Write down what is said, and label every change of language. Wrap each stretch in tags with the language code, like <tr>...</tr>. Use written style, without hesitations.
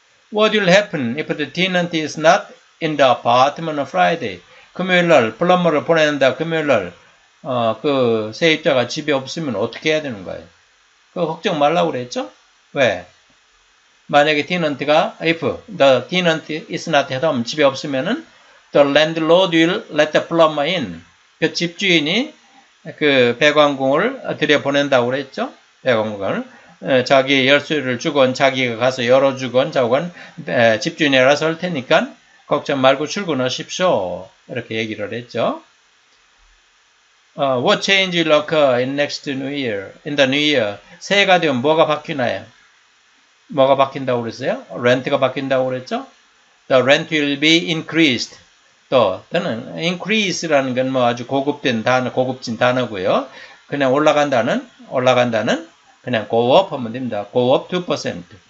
<en>What will happen if the tenant is not in the apartment on Friday?</en> <ko>금요일날 플럼버를 보낸다. 금요일날 그 세입자가 집에 없으면 어떻게 해야 되는 거예요? 그 걱정 말라고 그랬죠? 왜? 만약에 tenant가 if the tenant is not at home, 집에 없으면은</ko> <en>the landlord will let the plumber in.</en> <ko>그 집주인이 그 배관공을 들여보낸다고 그랬죠. 배관공을 자기 열쇠를 주건 자기가 가서 열어주건 자건 집주인이 알아서 할 테니까 걱정 말고 출근하십시오. 이렇게 얘기를 했죠.</ko> <en>What change will occur in next new year? In the new year,</en> <ko>새해가 되면 뭐가 바뀌나요? 뭐가 바뀐다고 그랬어요? 렌트가 바뀐다고 그랬죠.</ko> <en>The rent will be increased.</en> <ko>또는 increase라는 건 뭐 아주 고급된 단어, 고급진 단어고요. 그냥 올라간다는 그냥 go up 하면 됩니다. go up 2%.</ko>